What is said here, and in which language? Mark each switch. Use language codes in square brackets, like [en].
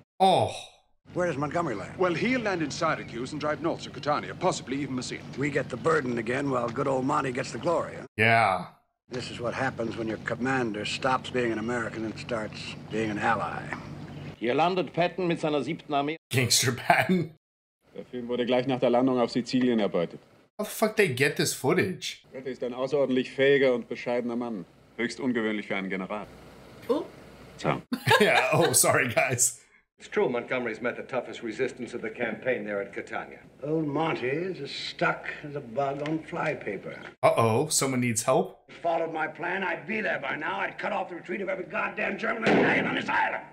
[en] Oh. Where does Montgomery land? Well, he'll land in Syracuse and drive north to Catania, possibly even Messina. We get the burden again while good old Monty gets the glory, huh? Yeah. This is what happens when your commander stops being an American and starts being an ally. [de] Hier landet Patton mit seiner siebten Armee. Gangster Patton. Der Film wurde gleich nach der Landung auf Sizilien erbeutet. [en] How the fuck they get this footage? [de] Er ist ein außerordentlich fähiger und bescheidener Mann. Höchst ungewöhnlich für einen General. [en] Oh. So. Yeah, oh, sorry, guys. It's true Montgomery's met the toughest resistance of the campaign there at Catania. Old Monty is as stuck as a bug on flypaper. Uh-oh, someone needs help? If you followed my plan, I'd be there by now. I'd cut off the retreat of every goddamn German battalion on this island.